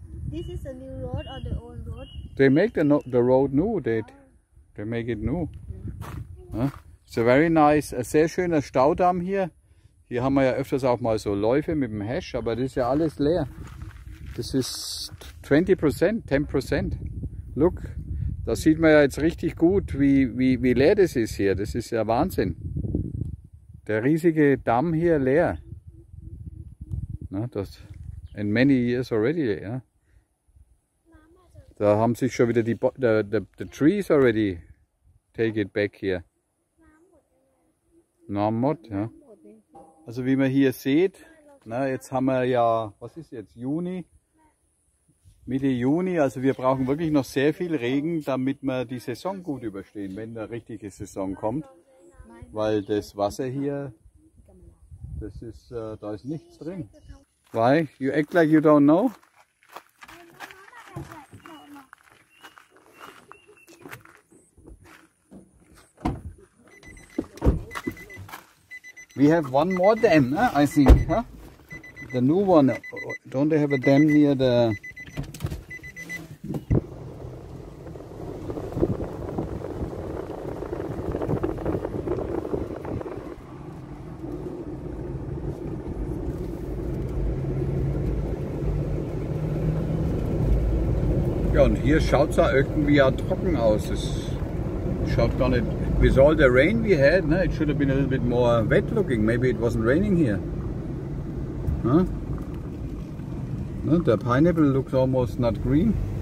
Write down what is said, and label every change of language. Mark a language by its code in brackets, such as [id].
[en] This is a new road or the old road? They make the road new, they make it new. Ja. It's a very nice, a [de] sehr schöner Staudamm hier. Hier haben wir ja öfters auch mal so Läufe mit dem Hash, aber das ist ja alles leer. Das ist 20%, 10%. Look, da sieht man ja jetzt richtig gut, wie leer das ist hier. Das ist ja Wahnsinn. Der riesige Damm hier leer. [en] Ja, das in many years already, ja. [de] Da haben sich schon wieder [en] the trees already take it back here. [de] Namot, ja. Also wie man hier sieht, na, jetzt haben wir ja, was ist jetzt, Juni? Mitte Juni, also wir brauchen wirklich noch sehr viel Regen, damit wir die Saison gut überstehen, wenn eine richtige Saison kommt. Weil das Wasser hier, da ist nichts drin. [en] Why? You act like you don't know? We have one more dam, I think, huh? The new one. Don't they have a dam near the... [de] Ja, und hier schaut es ja irgendwie ja trocken aus. Es schaut gar nicht. [en] With all the rain we had, it should have been a little bit more wet looking. Maybe it wasn't raining here. Huh? The pineapple looks almost not green.